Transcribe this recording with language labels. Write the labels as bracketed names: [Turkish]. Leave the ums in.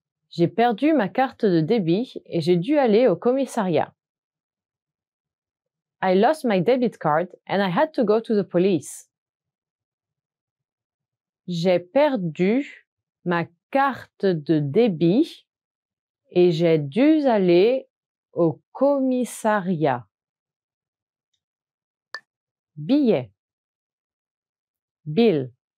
[French] J'ai perdu ma carte de débit et j'ai dû aller au commissariat. [English] I lost my debit card and I had to go to the police. [French] J'ai perdu ma carte de débit et j'ai dû aller au commissariat. Billet. Bill.